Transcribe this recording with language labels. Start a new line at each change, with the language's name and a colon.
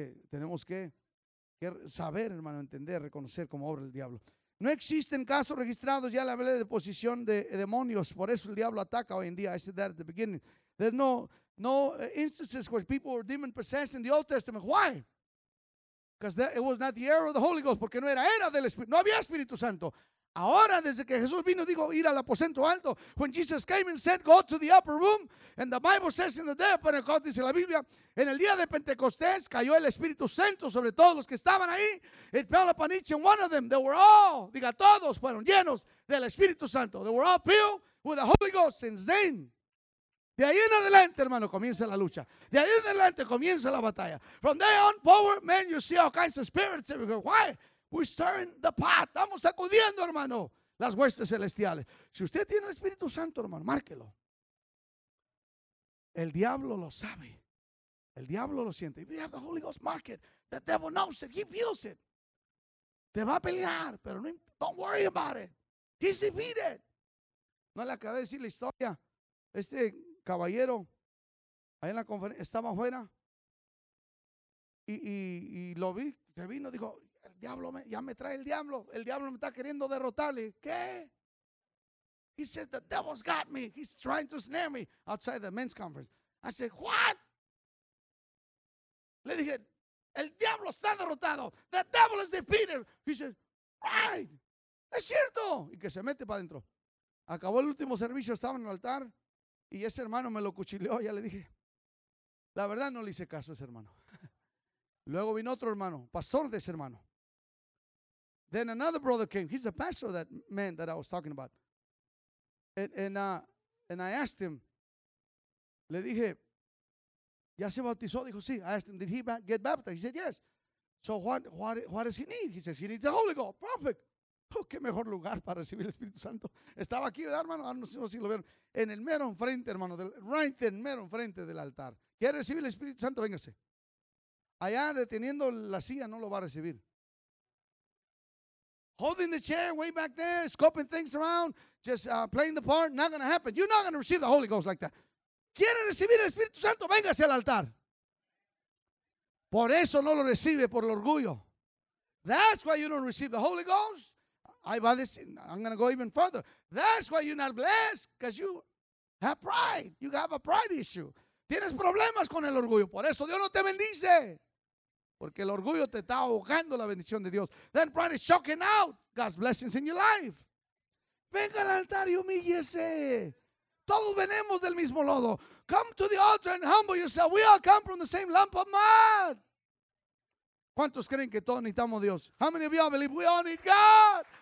Spanish: Tenemos que saber, hermano, entender, reconocer cómo obra el diablo. No existen casos registrados, ya le hablé de posición de demonios, por eso el diablo ataca hoy en día.
English: I said that at the beginning. There's no instances where people were demon possessed in the Old Testament. Why? Because it was not the era of the Holy Ghost,
Spanish: porque no era era del Espíritu, no había Espíritu Santo. Ahora, desde que Jesús vino, dijo, ir al aposento alto.
English: When Jesus came and said, go to the upper room. And the Bible says in the day of Pentecost,
Spanish: dice la Biblia, en el día de Pentecostés, cayó el Espíritu Santo sobre todos los que estaban ahí.
English: It fell upon each and one of them. They were all,
Spanish: diga, todos fueron llenos del Espíritu Santo.
English: They were all filled with the Holy Ghost since then.
Spanish: De ahí en adelante, hermano, comienza la lucha. De ahí en adelante comienza la batalla.
English: From there on forward, man, you see all kinds of spirits everywhere. Why? We're stirring the pot.
Spanish: Estamos sacudiendo, hermano, las huestes celestiales. Si usted tiene el Espíritu Santo, hermano, márquelo. El diablo lo sabe. El diablo lo siente.
English: If you have the Holy Ghost, mark it. The devil knows it. He feels it.
Spanish: Te va a pelear, pero no,
English: don't worry about it. He's defeated.
Spanish: No le acabé de decir la historia. Este caballero, ahí en la conferencia, estaba afuera. Y lo vi, se vino, dijo, diablo, ya me trae el diablo me está queriendo derrotarle. ¿Qué?
English: He said, the devil's got me, he's trying to snare me outside the men's conference. I said, what?
Spanish: Le dije, el diablo está derrotado,
English: the devil is defeated. He said, right,
Spanish: es cierto. Y que se mete para adentro. Acabó el último servicio, estaba en el altar y ese hermano me lo cuchilleó. Ya le dije, la verdad no le hice caso a ese hermano. Luego vino otro hermano, pastor de ese hermano.
English: Then another brother came. He's the pastor of that man that I was talking about. And I asked him,
Spanish: le dije, ¿ya se bautizó? Dijo, sí.
English: I asked him, did he get baptized? He said, yes. So what does he need? He says, he needs the Holy Ghost. Perfect.
Spanish: Oh, qué mejor lugar para recibir el Espíritu Santo. Estaba aquí, ¿verdad, hermano? No sé si lo vieron. En el mero enfrente, hermano. Right en mero enfrente del altar. ¿Quiere recibir el Espíritu Santo? Véngase. Allá deteniendo la silla no lo va a recibir.
English: Holding the chair way back there, scoping things around, just playing the part, not going to happen. You're not going to receive the Holy Ghost like that.
Spanish: ¿Quiere recibir el Espíritu Santo? Véngase al altar. Por eso no lo recibe, por el orgullo.
English: That's why you don't receive the Holy Ghost. I'm going to go even further. That's why you're not blessed, because you have pride. You have a pride issue.
Spanish: Tienes problemas con el orgullo. Por eso Dios no te bendice. Porque el orgullo te está ahogando la bendición de Dios.
English: Then pride is choking out God's blessings in your life.
Spanish: Venga al altar y humíllese. Todos venimos del mismo lodo.
English: Come to the altar and humble yourself. We all come from the same lump of mud.
Spanish: ¿Cuántos creen que todos necesitamos Dios?
English: How many of you all believe we all need God?